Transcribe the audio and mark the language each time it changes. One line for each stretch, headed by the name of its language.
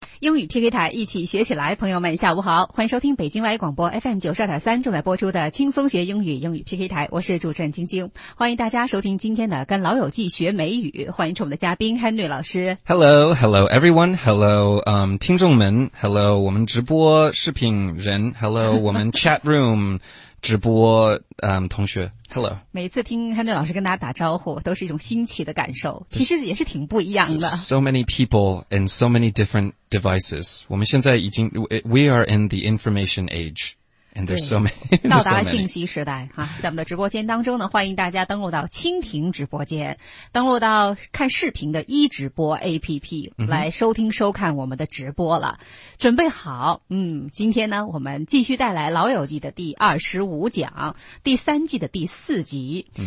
Chinese: 英语 PK 台一起学起来，朋友们下午好，欢迎收听北京外语广播 FM92.3 正在播出的轻松学英语英语 PK 台，我是主持人晶晶，欢迎大家收听今天的跟老友记学美语，欢迎我们的嘉宾 Henry 老师。
English: Hello, hello everyone, hello,
Chinese: 听众们
English: ,hello,
Chinese: 我们直播视频人
English: ,hello, 我们 chat room 直播同学。Hello.
Chinese: 每次听 Henry 老师跟大家打招呼都是一种新奇的感受，其实也是挺不一样的。
English: So many people and so many different devices.
Chinese: 我们现在已经
English: we are in the information age. And there's so many.
Chinese: 到达信息时代哈，在我们的直播间当中呢，欢迎大家登录到蜻蜓直播间，登录到看视频的一直播 APP 来收听收看我们的直播了。准备好，今天呢，我们继续带来《老友记》的第25讲，第三季的第四集。